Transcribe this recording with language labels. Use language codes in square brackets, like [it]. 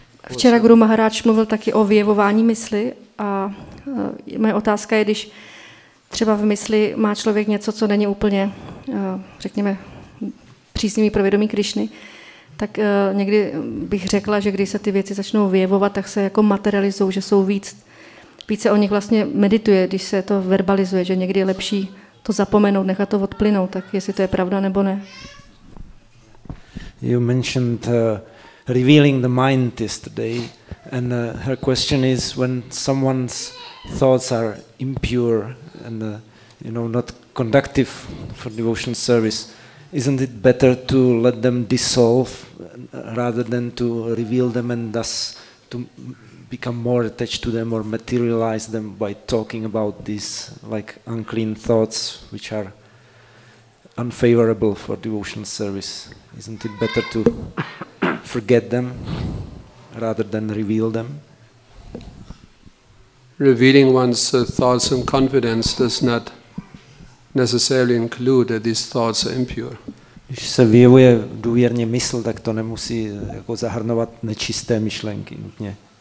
[cs] Včera Guru Maharaj mluvil taky o vyjevování mysli a moje otázka je, když třeba v mysli má člověk něco, co není úplně, řekněme, příznivý pro vědomí Krišny, tak někdy bych řekla, že když se ty věci začnou vyjevovat, tak se jako materializují, že jsou víc, více o nich vlastně medituje, když se to verbalizuje, že někdy je lepší to zapomenout, nechat to odplynout, tak jestli to je pravda nebo ne. [en] You mentioned revealing the mind yesterday, and her question is, when someone's thoughts are impure and you know, not conductive for devotional service, isn't it better to let them dissolve rather than to reveal them and thus to become more attached to them or materialize them by talking about these like unclean thoughts which are unfavorable for devotional service? Isn't it better to forget them rather than reveal them? Revealing one's thoughts and confidence does not necessarily include that these thoughts are impure. [cs] Když se vyjevuje důvěrně mysl, tak to nemusí jako zahrnovat nečisté myšlenky nutně.